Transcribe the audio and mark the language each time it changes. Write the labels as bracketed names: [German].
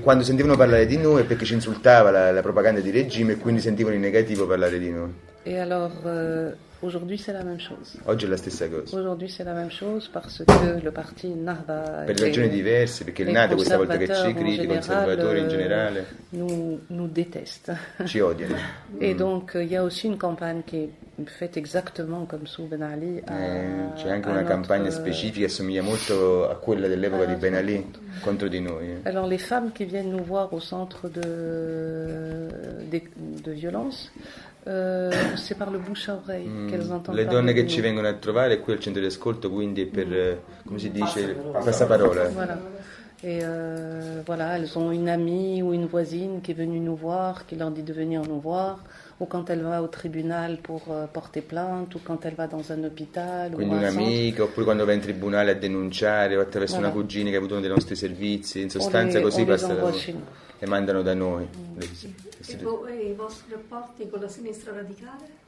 [Italian] Quando sentivano parlare di noi è perché ci insultava la propaganda di regime e quindi sentivano in negativo parlare di noi. [French] Et alors, aujourd'hui c'est la même chose. [Italian] Oggi è la stessa cosa. [French] Aujourd'hui c'est la même chose parce que le parti Nahda. [Italian] Per ragioni diverse, perché il Nahda questa volta che ci critica, conservatori in generale. [French] Nous déteste. [Italian] Ci odiano. [French] Et donc, il y a aussi une campagne qui est faite exactement comme sous Ben Ali. [Italian] C'è anche una campagna specifica, assomiglia molto a quella dell'epoca di Ben Ali contro di noi. [French] Alors, les femmes qui viennent nous voir au centre de violence. C'est par le bouche à oreille qu'elles entendent. [Italian] Les donne che ci vengono a trovare qui al centro di ascolto, quindi per come si dice, passa parola. [French] Voilà. Et voilà, elles ont une amie ou une voisine qui est venue nous voir, qui leur dit de venir nous voir, ou quand elle va au tribunal pour porter plainte, ou quand elle va dans un hôpital. [Italian] Quindi [French] ou [Italian] un amico, oppure quando va in tribunale a denunciare, o attraverso voilà. Una cugina che ha avuto uno dei nostri servizi, in sostanza così passa la parola. E mandano da noi. E i vostri rapporti con la sinistra radicale?